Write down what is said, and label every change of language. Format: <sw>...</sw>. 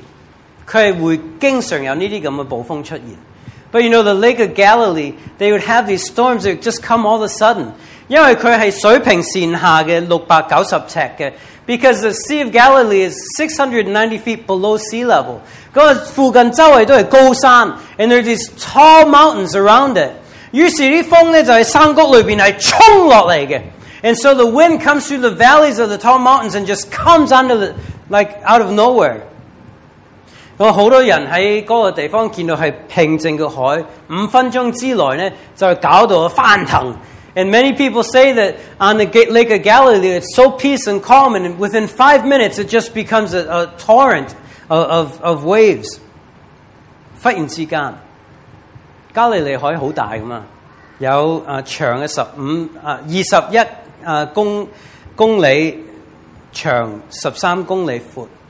<zh>门徒就是这样。这个加利利海是这么特别,他会经常有这些暴风出现。</zh> <en>But you know, the Lake of Galilee, they would have these storms that would just come all of a sudden.</en> <zh>因为它是水平线下的690尺的,</zh> <en>because the Sea of Galilee is 690 feet below sea level.</en> <zh>附近周围都是高山,</zh> <en>and there are these tall mountains around it.</en> <zh>于是这风就在山谷里面冲下来的,</zh> <en>and so the wind comes through the valleys of the tall mountains and just comes under the, like out of nowhere.</en> <zh>很多人在那个地方见到是平静的海, 5分钟之内就搞到翻腾,</zh> <en>And many people say that on the Lake of Galilee, it's so peace and calm, and within 5 minutes, it just becomes a torrent of waves.</en> <zh>忽然之間, Galilee 海很大嘛, 有, 長的 15, 21公里, 長 13公里闊,</zh>